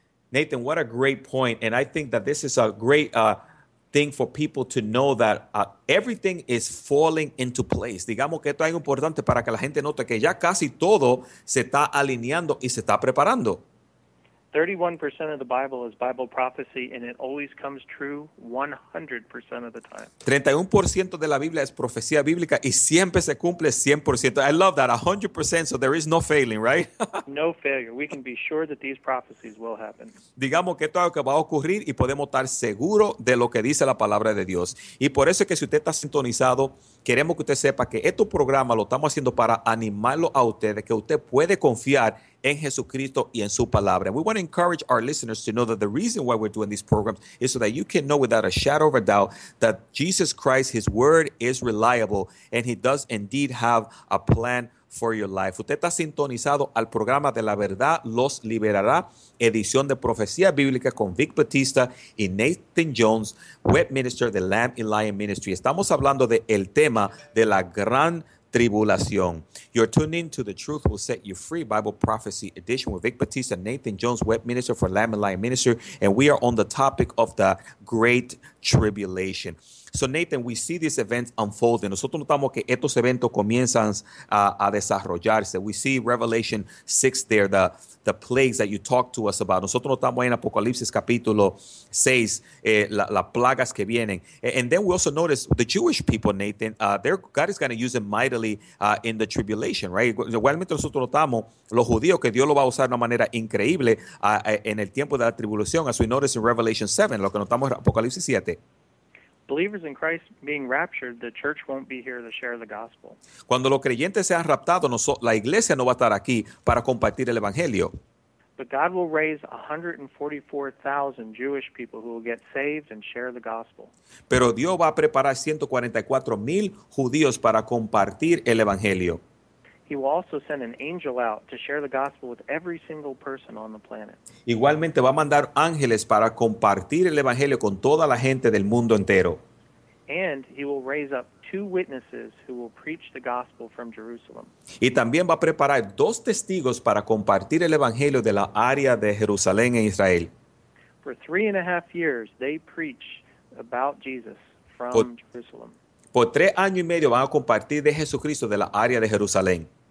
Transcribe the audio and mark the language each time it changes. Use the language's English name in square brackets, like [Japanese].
[English] Nathan, what a great point. And I think that this is a great thing for people to know that everything is falling into place. [Spanish] Digamos que esto es importante para que la gente note que ya casi todo se está alineando y se está preparando. [English] 31% of the Bible is Bible prophecy, and it always comes true 100% of the time. [Spanish] 31% de la Biblia es profecía bíblica, y siempre se cumple 100%. [English] I love that, 100%, so there is no failing, right? No failure. We can be sure that these prophecies will happen. [Spanish] Digamos que esto es lo que va a ocurrir, y podemos estar seguros de lo que dice la palabra de Dios. Y por eso es que si usted está sintonizado, queremos que usted sepa que este programa lo estamos haciendo para animarlo a usted, de que usted puede confiar en Jesucristo y en su palabra. [English] We want to encourage our listeners to know that the reason why we're doing these programs is so that you can know without a shadow of a doubt that Jesus Christ, his word is reliable, and he does indeed have a plan for your life. [Spanish] Usted está sintonizado al programa de La Verdad Los Liberará, edición de Profecía Bíblica con Vic Batista y Nathan Jones, web minister de Lamb and Lion Ministry. Estamos hablando de el tema de la gran tribulación. [English] You're tuned in to The Truth Will Set You Free, Bible Prophecy Edition with Vic Batista, Nathan Jones, web minister for Lamb and Lion Ministry, and we are on the topic of the Great Tribulation. So Nathan, we see these events unfolding. [Spanish] Nosotros notamos que estos eventos comienzan a desarrollarse. [English] We see Revelation 6 there, the plagues that you talked to us about. [Spanish] Nosotros notamos en Apocalipsis capítulo 6, las plagas que vienen. [English] And then we also notice the Jewish people, Nathan, God is going to use them mightily in the tribulation, right? [Spanish] Igualmente nosotros notamos los judíos que Dios lo va a usar de una manera increíble en el tiempo de la tribulación, [English] as we notice in Revelation 7, [Spanish] lo que notamos en Apocalipsis 7. [English] Believers in Christ being raptured, the church won't be here to share the gospel. [Spanish] Cuando los creyentes sean raptados, la iglesia no va a estar aquí para compartir el evangelio. [English] But God will raise 144,000 Jewish people who will get saved and share the gospel. [Spanish] Pero Dios va a preparar 144,000 judíos para compartir el evangelio. [English] He will also send an angel out to share the gospel with every single person on the planet. [Spanish] Igualmente va a mandar ángeles para compartir el evangelio con toda la gente del mundo entero. [English] And he will raise up two witnesses who will preach the gospel from Jerusalem. [Spanish] Y también va a preparar dos testigos para compartir el evangelio de la área de Jerusalén en Israel. [English] For 3.5 years, they preach about Jesus from Jerusalem. [Spanish] Por 3 años y medio van a compartir de Jesucristo de la área de Jerusalén.